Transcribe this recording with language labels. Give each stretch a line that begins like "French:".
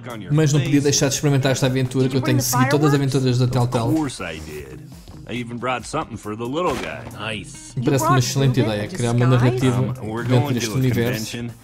Portuguese: Mas não podia deixar de experimentar esta aventura que eu tenho seguido todas as aventuras da Telltale.
English: I even brought something for the little guy. Nice.
Portuguese: Parece uma excelente ideia criar uma narrativa dentro deste universo.